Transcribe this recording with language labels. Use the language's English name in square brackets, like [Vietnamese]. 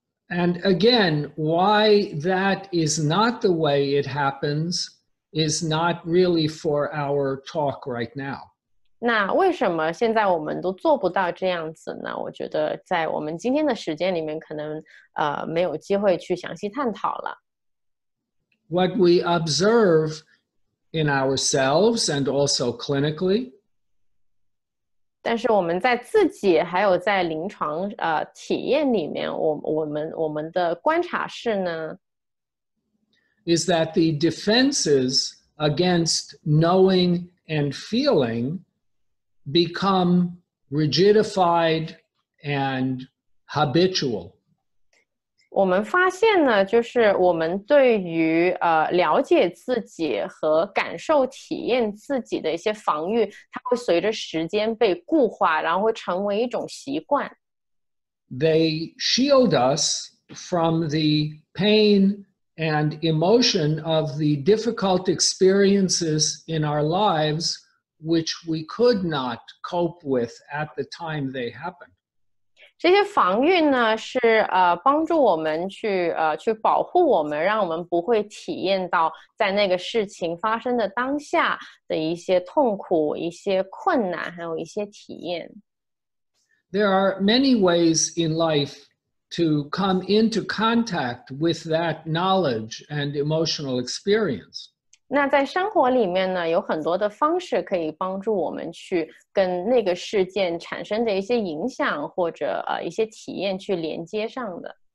[English] And again, why that is not the way it happens is not really for our talk right now. [Chinese] 那为什么现在我们都做不到这样子呢？我觉得在我们今天的时间里面可能没有机会去详细探讨了。 [English] What we observe in ourselves and also clinically, [Chinese] 但是我们在自己还有在临床体验里面我们的观察是呢 [English] is that the defenses against knowing and feeling become rigidified and habitual. [Chinese] 我们发现呢就是我们对于了解自己和感受体验自己的一些防御它会随着时间被固化然后会成为一种习惯。 [English] They shield us from the pain and emotion of the difficult experiences in our lives, which we could not cope with at the time they happened. [Chinese] 这些防御呢是帮助我们去保护我们让我们不会体验到在那个事情发生的当下的一些痛苦一些困难还有一些体验。 [English] There are many ways in life to come into contact with that knowledge and emotional experience. [Chinese] 那在生活里面呢有很多的方式可以帮助我们去跟那个事件产生的一些影响或者一些体验去连接上的。